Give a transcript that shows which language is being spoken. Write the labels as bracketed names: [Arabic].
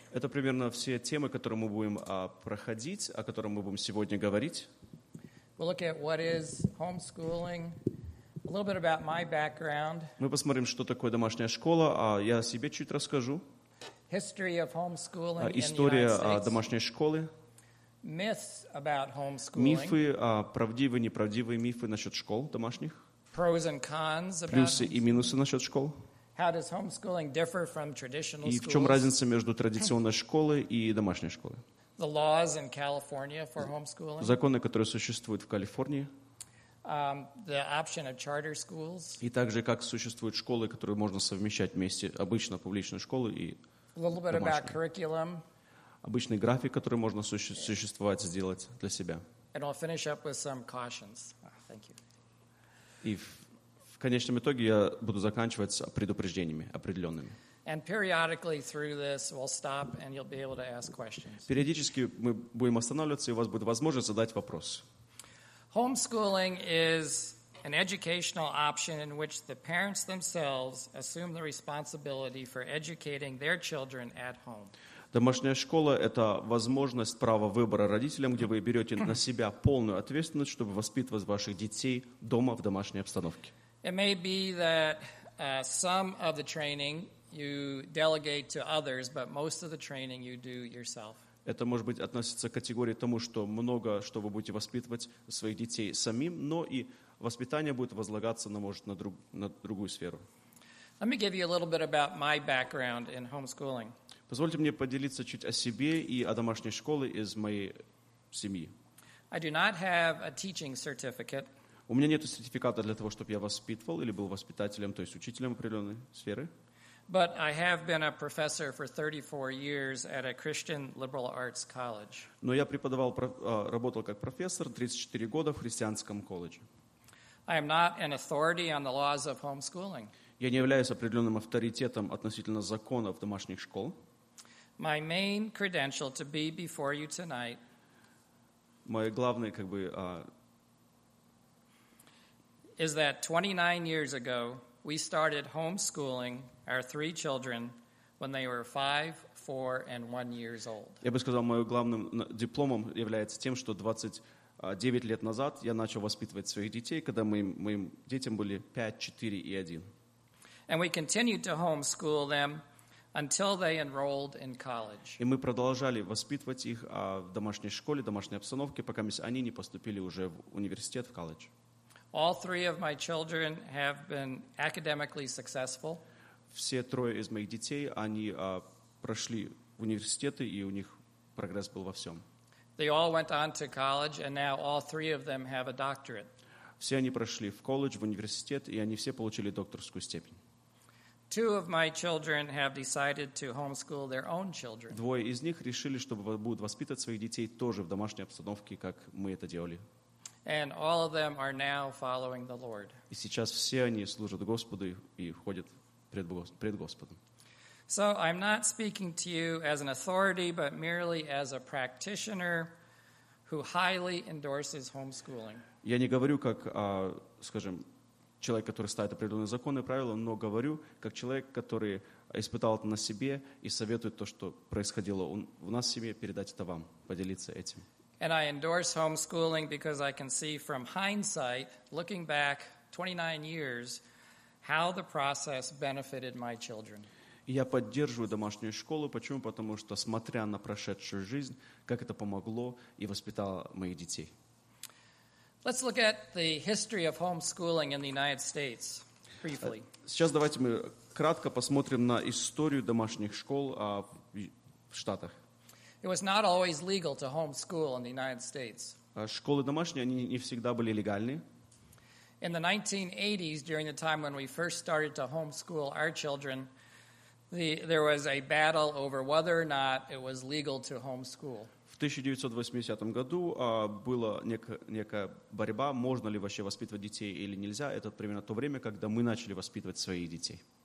[Russian] Это примерно все темы, которые мы будем проходить, о которых мы будем сегодня говорить. [English] We'll look at what is homeschooling, a little bit about my background. [Russian] Мы посмотрим, что такое домашняя школа, а я о себе чуть расскажу. [English] History of homeschooling in the United States. [Russian] История домашней школы. [English] Myths about homeschooling. [Russian] Мифы, правдивые, неправдивые мифы насчет школ домашних. [English] Pros and cons about. [Russian] Плюсы и минусы насчет школ. [English] How does homeschooling differ from traditional schools? [Russian] И в чем разница между традиционной школой и домашней школой? [English] The laws in California for homeschooling. [Russian] Законы, которые существуют в Калифорнии. [English] The option of charter schools. [Russian] И также как существуют школы, которые можно совмещать вместе обычно публичную школу и домашнюю. [English] A little bit about curriculum. [Russian] Обычный график, который можно существовать, сделать для себя. [English] And I'll finish up with some cautions. Thank you. [Russian] В конечном итоге я буду заканчивать предупреждениями определенными. [English] And periodically through this we'll stop and you'll be able to ask questions. [Russian] Периодически мы будем останавливаться, и у вас будет возможность задать вопрос. [English] Homeschooling is an educational option in which the parents themselves assume the responsibility for educating their children at home. [Russian] Домашняя школа – это возможность, право выбора родителям, где вы берете на себя полную ответственность, чтобы воспитывать ваших детей дома в домашней обстановке. [English] It may be that some of the training you delegate to others, but most of the training you do yourself. [Russian] Это может быть относится к категории тому, что много, что вы будете воспитывать своих детей самим, но и воспитание будет возлагаться, на другую сферу. [English] Let me give you a little bit about my background in homeschooling. [Russian] Позвольте мне поделиться чуть о себе и о домашней школе из моей семьи. [English] I do not have a teaching certificate. [Russian] У меня нет сертификата для того, чтобы я воспитывал или был воспитателем, то есть учителем определенной сферы. [English] But I have been a professor for 34 years at a Christian liberal arts college. [Russian] Но я преподавал, работал как профессор 34 года в христианском колледже. [English] I am not an authority on the laws of homeschooling. [Russian] Я не являюсь определенным авторитетом относительно законов домашних школ. [English] My main credential to be before you tonight. [Russian] Мой главный, [English] is that 29 years ago we started homeschooling our three children when they were 5, 4, and 1 years old. [Russian] Я бы сказал, моим главным дипломом является тем, что 29 лет назад я начал воспитывать своих детей, когда моим детям были 5, 4 и 1. [English] And we continued to homeschool them until they enrolled in college. [Russian] И мы продолжали воспитывать их в домашней школе, домашней обстановке, пока они не поступили уже в университет, в колледж. [English] All three of my children have been academically successful. [Russian] Все трое из моих детей, они прошли университеты, и у них прогресс был во всем. [English] They all went on to college, and now all three of them have a doctorate. [Russian] Все они прошли в колледж, в университет, и они все получили докторскую степень. [English] Two of my children have decided to homeschool their own children. [Russian] Двое из них решили, чтобы будут воспитывать своих детей тоже в домашней обстановке, как мы это делали. [English] And all of them are now following the Lord. [Russian] И сейчас все они служат Господу и ходят пред Господом. [English] So I'm not speaking to you as an authority, but merely as a practitioner who highly endorses homeschooling. [Russian] Я не говорю как, скажем, человек, который ставит определенные законы и правила, но говорю как человек, который испытал это на себе и советует то, что происходило в нас в семье, передать это вам, поделиться этим. [English] And I endorse homeschooling because I can see from hindsight, looking back 29 years, how the process benefited my children. [Russian] Я поддерживаю домашнюю школу. Почему? Потому что, смотря на прошедшую жизнь, как это помогло и воспитало моих детей. [English] Let's look at the history of homeschooling in the United States briefly. [Russian] Сейчас давайте мы кратко посмотрим на историю домашних школ в в Штатах. [English] It was not always legal to homeschool in the United States. [Russian] Школы домашние, они не всегда были легальны. [English] In the 1980s, during the time when we first started to homeschool our children, there was a battle over whether or not it was legal to homeschool. [Russian] В 1980 году была некая борьба, можно ли вообще воспитывать детей или нельзя. Это примерно то время, когда мы начали воспитывать своих детей.